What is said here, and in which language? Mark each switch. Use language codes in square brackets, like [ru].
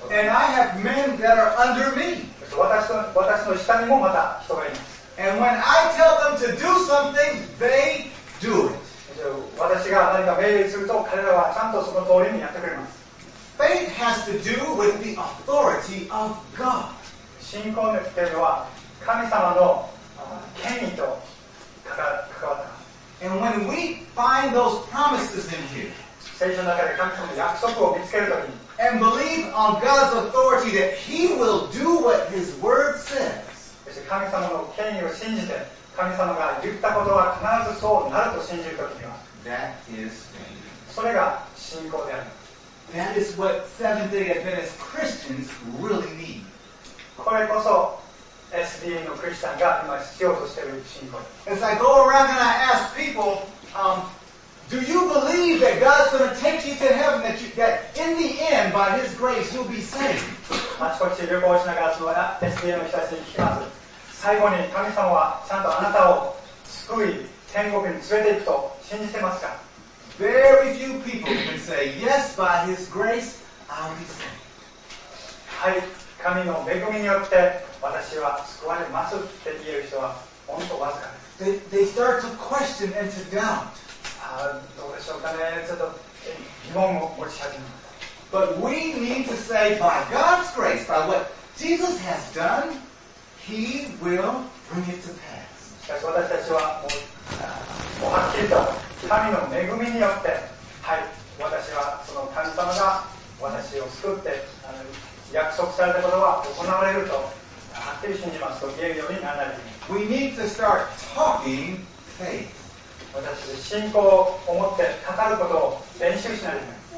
[en] And I have men that are under me. [ja] 私の下にもまた人がいます。 [en] And when I tell them to do something, they do it. [ja] 私が何か命令すると、彼らはちゃんとその通りにやってくれます。 [en] Faith has to do with the authority of God. [ja] 信仰の権威は神様の権威と関わった。 [en] And when we find those promises in here, [ja] 聖書の中で神様の約束を見つけるときに、 [en] And believe on God's authority that He will do what His word says. [ja] 神様の権威を信じて、神様が言ったことは必ずそうなると信じるときには、 [en] That is faith. [ja] それが信仰である。 [en] That is what Seventh-day Adventist Christians really need. [ja] これこそ SDA のクリスチャンが今必要としている信仰。 [en] As I go around and I ask people, Do you believe that God's going to take you to heaven, that in the end, by His grace, you'll be saved? [ja] あちこち旅行しながら、その SDA の人たちに聞きます。最後に神様はちゃんとあなたを救い、天国に連れて行くと信じてますか? [en] Very few people can say, yes, by His grace, I'll be saved. [ja] はい、神の恵みによって私は救われますって言える人は本当わずかです。 [en] They start to question and to doubt. [ja] どうでしょうかね。ちょっと疑問を持ち始めました。 [en] But we need to say by God's grace, by what Jesus has done, He will bring it to pass. [ja] しかし私たちはもうはっきりと神の恵みによって、はい、私はその神様が私を救って約束されたことは行われるとはっきり信じますと言えるようにならないといけない。 [en] We need to start talking faith. [ja] 私は信仰を持って語ることを練習しないといけない。